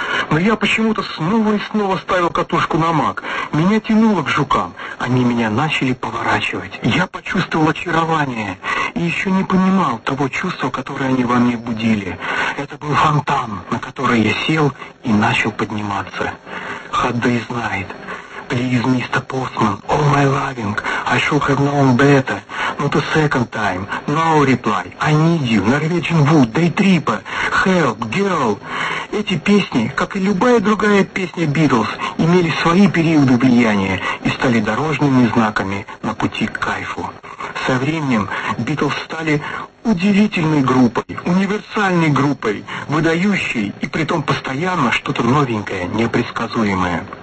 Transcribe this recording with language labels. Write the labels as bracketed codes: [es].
[ru] Но я почему-то снова и снова ставил катушку на мак. Меня тянуло к жукам, они меня начали поворачивать. Я почувствовал очарование и еще не понимал того чувства, которое они во мне будили. Это был фонтан, на который я сел и начал подниматься. Хаддей знает. [en] Please, Mr. Postman, all my loving, I should have known better. Not a second time, no reply. I need you, Norwegian Wood, Daytripper, Help, Girl. [ru] Эти песни, как и любая другая песня Beatles, имели свои периоды влияния и стали дорожными знаками на пути к кайфу. Со временем Beatles стали удивительной группой, универсальной группой, выдающей и притом постоянно что-то новенькое, непредсказуемое.